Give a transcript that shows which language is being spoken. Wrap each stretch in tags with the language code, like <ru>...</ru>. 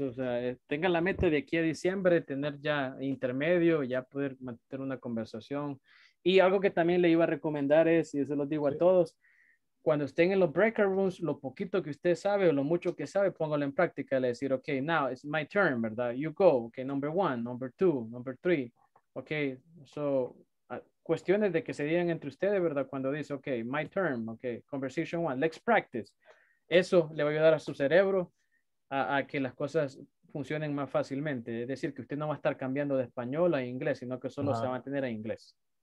<es>O sea, tengan la meta de aquí a diciembre, tener ya intermedio, ya poder mantener una conversación. Y algo que también le iba a recomendar es, y eso lo digo a todos, cuando estén en los breakout rooms, lo poquito que usted sabe o lo mucho que sabe, póngalo en práctica.</es> <en>Le decir, ok, now it's my turn, ¿verdad? You go, ok, number one, number two, number three.</en> <es>Ok, so, cuestiones de que se digan entre ustedes, ¿verdad?</es> <en>Cuando dice, ok, my turn, ok, conversation one, let's practice.</en> <es>Eso le va a ayudar a su cerebro a que las cosas funcionen más fácilmente. Es decir, que usted no va a estar cambiando de español a inglés, sino que solo se va a mantener a inglés.</es>